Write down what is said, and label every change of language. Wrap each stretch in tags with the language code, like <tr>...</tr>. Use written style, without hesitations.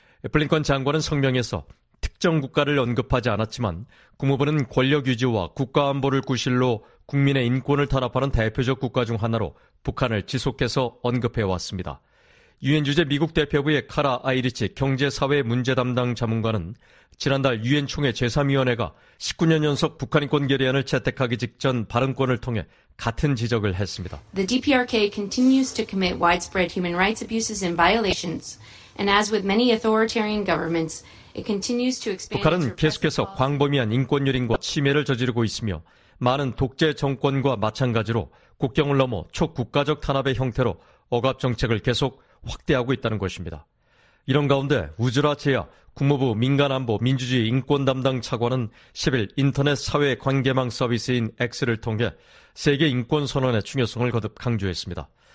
<ko>블링컨 장관은 성명에서 특정 국가를 언급하지 않았지만 국무부는 권력 유지와 국가 안보를 구실로 국민의 인권을 탄압하는 대표적 국가 중 하나로 북한을 지속해서 언급해왔습니다. 유엔 주재 미국 대표부의 카라 아이리치 경제사회 문제 담당 자문관은 지난달 유엔 총회 제3위원회가 19년 연속 북한인권 결의안을 채택하기 직전 발언권을 통해 같은 지적을 했습니다.</ko> <en>The DPRK continues to commit widespread human rights abuses and violations. And as with many authoritarian governments, it continues to expand.</en> <ko>북한은 계속해서 광범위한 인권 유린과 침해를 저지르고 있으며 많은 독재 정권과 마찬가지로 국경을 넘어 초국가적 탄압의 형태로 억압 정책을 계속 확대하고 있다는 것입니다. 이런 가운데 우즈라 제야 국무부 민간안보 민주주의 인권 담당 차관은 10일 인터넷 사회 관계망 서비스인 X를 통해 세계 인권 선언의 중요성을 거듭 강조했습니다.</ko>